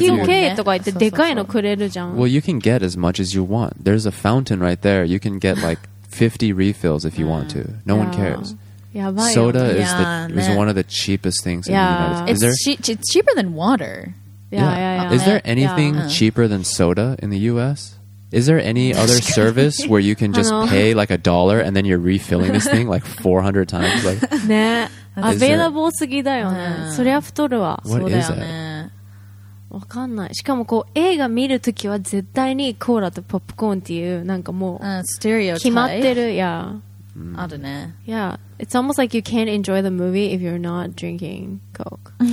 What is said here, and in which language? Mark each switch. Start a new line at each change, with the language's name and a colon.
Japanese: あったら食べちゃうもんね、多分。ね。確かに。なければいいけど。アメリカの映画館とかさ、そのスモールでいいですって言ってコーラとか頼んでも、あ、オッケーとか言ってでかいのくれるじゃん。
English: Well, you can get as much as you want. There's a fountain right there. You can get like 50 refills if you want to. No one cares. Soda is one of the cheapest things in the United States. It's cheaper than water. Yeah. Is there anything cheaper than soda in the U.S.? Is there any other service where you can just pay like a dollar and then you're refilling this thing like 400 times? Like,
Japanese: ね、available すぎだよね。それは太るわ。わかんない。しかもこう映画見るときは絶対にコーラとポップコーンっていう、なんかもうステレオタイプ。決まってる。あるね。
English: Yeah, it's almost like you can't enjoy the movie if you're not drinking Coke.